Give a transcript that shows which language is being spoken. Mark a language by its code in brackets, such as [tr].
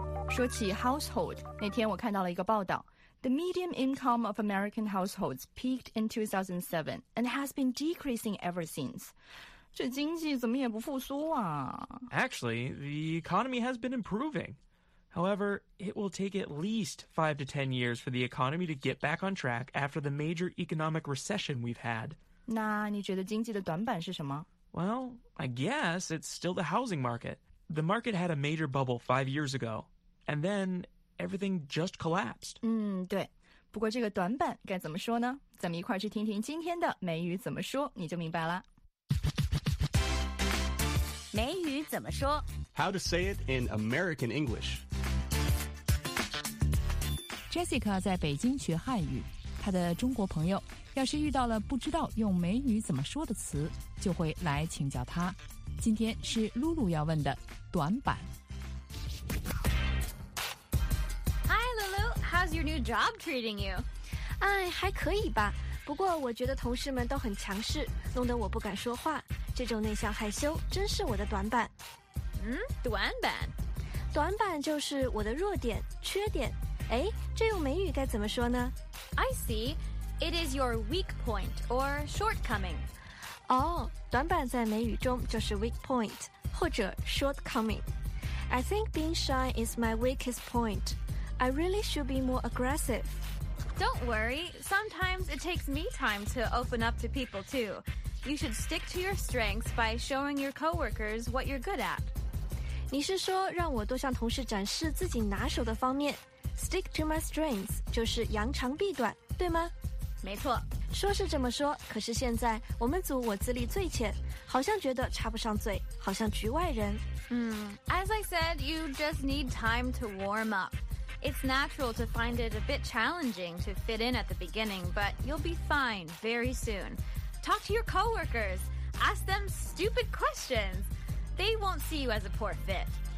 [zh] 说起 [en] Household, [zh] 那天我看到了一个报道 [en] The median income of American households peaked in 2007 and has been decreasing ever since. [zh] 这经济怎么也不复苏啊 [en] Actually, the economy has been improving. However, it will take at least 5 to 10 years for the economy to get back on track after the major economic recession we've had. [zh] 那你觉得经济的短板是什么? [en] Well, I guess it's still the housing market. The market had a major bubble 5 years ago, and then everything just collapsed. [zh] 对。不过这个短板该怎么说呢?咱们一块去听听今天的美语怎么说,你就明白了。美语怎么说? [en] How to say it in American English. [zh] Jessica 在北京学汉语，她的中国朋友要是遇到了不知道用美语怎么说的词，就会来请教她。今天是露露要问的短板。 [en] Hi, Lulu. How's your new job treating you? [zh] 哎，还可以吧。不过我觉得同事们都很强势，弄得我不敢说话。这种内向害羞真是我的短板。短板？短板就是我的弱点、缺点。哎，这用美语该怎么说呢 [en] ？I see, it is your weak point or shortcoming. [zh] 哦，短板在美语中就是 [en] weak point [zh] 或者 shortcoming. [en] I think being shy is my weakest point. I really should be more aggressive. Don't worry. Sometimes it takes me time to open up to people too. You should stick to your strengths by showing your coworkers what you're good at. [zh] 你是说让我多向同事展示自己拿手的方面？ [en] Stick to my strengths [zh] 就是扬长避短，对吗？没错。说是这么说，可是现在我们组我资历最浅，好像觉得插不上嘴，好像局外人。 [en] As I said, you just need time to warm up. It's natural to find it a bit challenging to fit in at the beginning, but you'll be fine very soon. Talk to your coworkers. Ask them stupid questions. They won't see you as a poor fit.